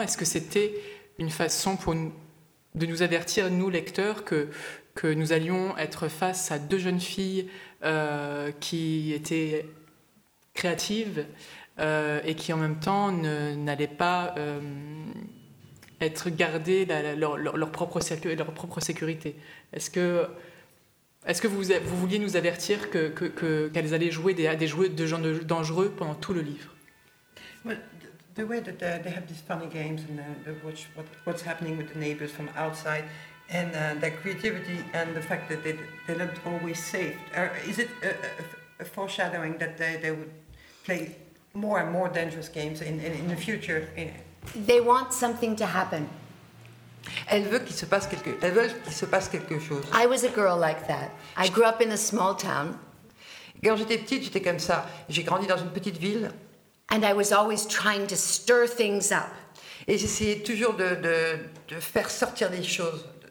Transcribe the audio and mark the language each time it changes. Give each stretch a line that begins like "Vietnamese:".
French: Est-ce que c'était une façon pour de nous avertir, nous lecteurs, que nous allions être face à deux jeunes filles qui étaient créatives et qui en même temps n'allaient pas être gardées leur propre sécurité. Est-ce que vous vouliez nous avertir qu'elles allaient jouer des gens dangereux pendant tout le livre?
English: The way that they have these funny games and they watch what's happening with the neighbors from outside. And their creativity and the fact that they aren't always safe. Is it a foreshadowing that they would play more and more dangerous games in the future? They want something to happen.
French: Elles veulent qu'il se passe quelque chose.
English: I was a girl like that. I grew up in a small town.
French: Quand j'étais petite, j'étais comme ça. J'ai grandi dans une petite ville.
English: And I was always trying to stir things up.
French: Et j'essayais toujours de faire sortir des choses.